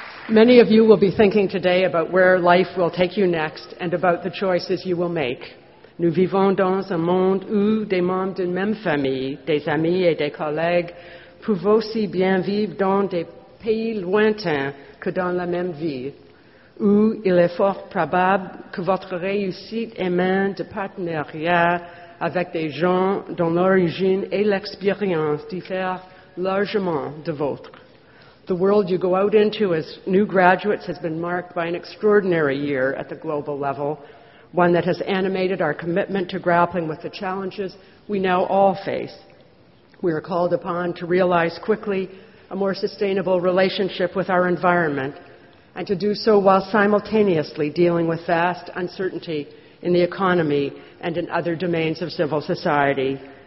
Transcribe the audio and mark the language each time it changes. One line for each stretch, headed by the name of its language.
English: Many of you will be thinking today about where life will take you next and about the choices you will make.
French: Nous vivons dans un monde où des membres d'une même famille, des amis et des collègues, peuvent aussi bien vivre dans des pays lointains que dans la même ville, où il est fort probable que votre réussite émane de partenariats avec des gens dont l'origine et l'expérience diffèrent largement de vôtre.
English: The world you go out into as new graduates has been marked by an extraordinary year at the global level, one that has animated our commitment to grappling with the challenges we now all face. We are called upon to realize quickly a more sustainable relationship with our environment, and to do so while simultaneously dealing with vast uncertainty in the economy and in other domains of civil society.